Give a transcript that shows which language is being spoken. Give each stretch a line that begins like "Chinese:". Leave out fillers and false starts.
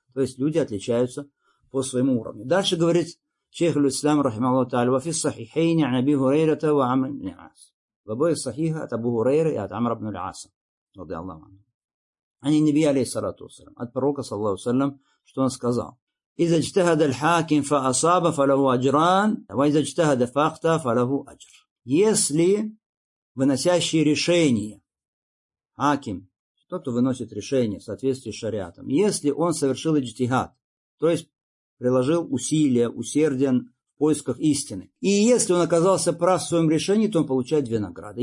Russian: То есть люди отличаются по своему уровню. Дальше говорит шейх аль-ислам рахимаху тааля
Arabic: ва фи сахихайни ан Аби Хурайрата ва Амр ибн аль-Ас.
Russian: В обоих сахиха от Абу Хурайры и от Амра ибн аль-Ас. Радиаллаху анху.
Arabic: Ани Наби алейхиссалату вассалям,
Russian: от пророка саллаллаху алейхи ва саллям, что он сказал?
Arabic: إذا اجتهد الحاكم فأصاب فله أجران وإذا اجتهد فأخطأ فله أجر.
Russian: Если выносящий решение, хаким, тот, кто выносит решение в соответствии с шариатом, если он совершил иджтихад, то есть приложил усилия, усердие в поисках истины, и если он оказался прав в своем решении, то он получает две награды.